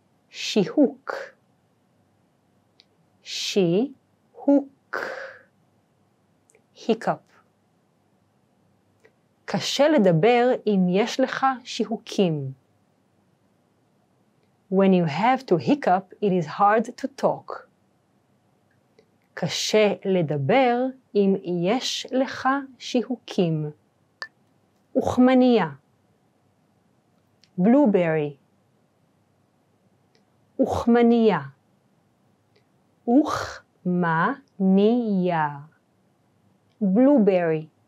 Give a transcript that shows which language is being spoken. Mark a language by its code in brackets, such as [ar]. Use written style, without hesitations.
[he] שיהוק. שיהוק. Hiccup. קשה לדבר אם יש לך שיהוקים. [en] When you have to hiccup, it is hard to talk. [he] קשה לדבר אם יש לך שיהוקים. אוכמניה. Blueberry. אוכמניה. אוכמניה. Blueberry.